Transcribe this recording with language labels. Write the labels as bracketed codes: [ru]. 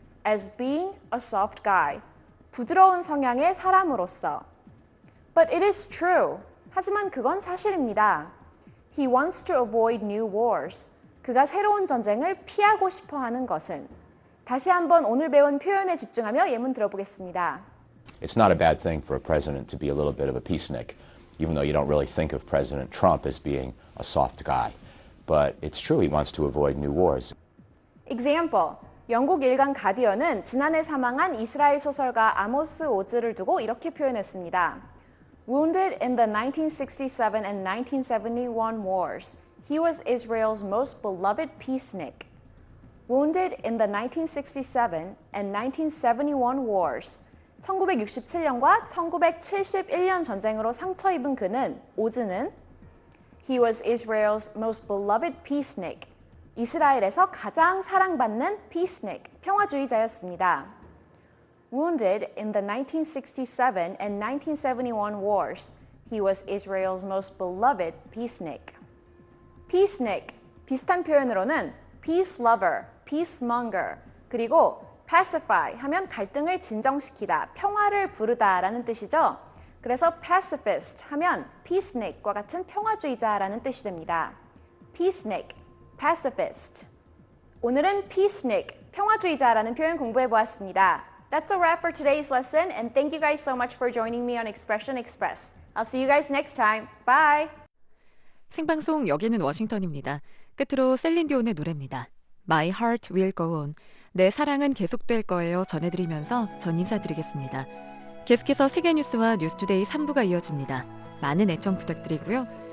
[en] As being a soft guy, [ko] 부드러운 성향의 사람으로서. [en] But it is true. [ko] 하지만 그건 사실입니다. [en] He wants to avoid new wars. [ko] 그가 새로운 전쟁을 피하고 싶어 하는 것은. 다시 한번 오늘 배운 표현에 집중하며 예문 들어보겠습니다. [en] It's not a bad thing for a president to be a little bit of a peacenik, even though you don't really think of President Trump as being a soft guy. But it's true he wants to avoid new wars. Example, [ko] 영국 일간 가디언은 지난해 사망한 이스라엘 소설가 아모스 오즈를 두고 이렇게 표현했습니다. [en] Wounded in the 1967 and 1971 wars, he was Israel's most beloved peacenik. Wounded in the 1967 and 1971 wars, [ko] 1967년과 1971년 전쟁으로 상처 입은 그는, 오즈는 [en] He was Israel's most beloved peacenik. [ko] 이스라엘에서 가장 사랑받는 peacenik, 평화주의자였습니다. [en] Wounded in the 1967 and 1971 wars, he was Israel's most beloved peacenik. Peacenik, [ko] 비슷한 표현으로는 [en] peace lover, peacemonger, [ko] 그리고 pacify 하면 갈등을 진정시키다, 평화를 부르다라는 뜻이죠. 그래서 pacifist 하면 peacenik과 같은 평화주의자라는 뜻이 됩니다. [en] peacenik, pacifist. [ko] 오늘은 peacenik, 평화주의자라는 표현 공부해 보았습니다. [en] That's a wrap for today's lesson, and thank you guys so much for joining me on Expression Express. I'll see you guys next time. Bye! [ko] 생방송 여기는 워싱턴입니다. 끝으로 셀린 디온의 노래입니다. [en] My Heart Will Go On. [ko] 내 사랑은 계속될 거예요. 전해드리면서 전 인사드리겠습니다. 계속해서 세계뉴스와 뉴스투데이 3부가 이어집니다. 많은 애청 부탁드리고요.